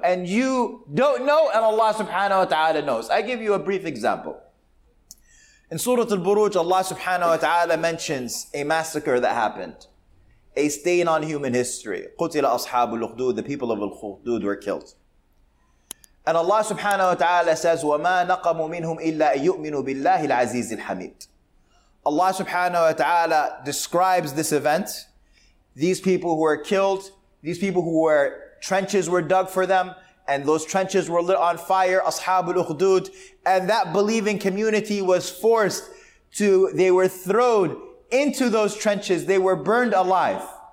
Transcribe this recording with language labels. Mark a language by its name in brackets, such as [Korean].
[English] And you don't know, and Allah subhanahu wa ta'ala knows. I give you a brief example. In Surah Al-Buruj, Allah subhanahu wa ta'ala mentions a massacre that happened. A stain on human history. [Arabic] قُتِلَ أَصْحَابُ الْخُدُودِ. [English] The people of Al-Khudud were killed. And Allah subhanahu wa ta'ala says, [Arabic] وَمَا نَقَمُ مِنْهُمْ إِلَّا يُؤْمِنُوا بِاللَّهِ الْعَزِيزِ الْحَمِيدِ. [English] Allah subhanahu wa ta'ala describes this event. These people who were killed, these people who were, trenches were dug for them, and those trenches were lit on fire, Ashab al-Ukhdud, and that believing community was forced to, they were thrown into those trenches, they were burned alive.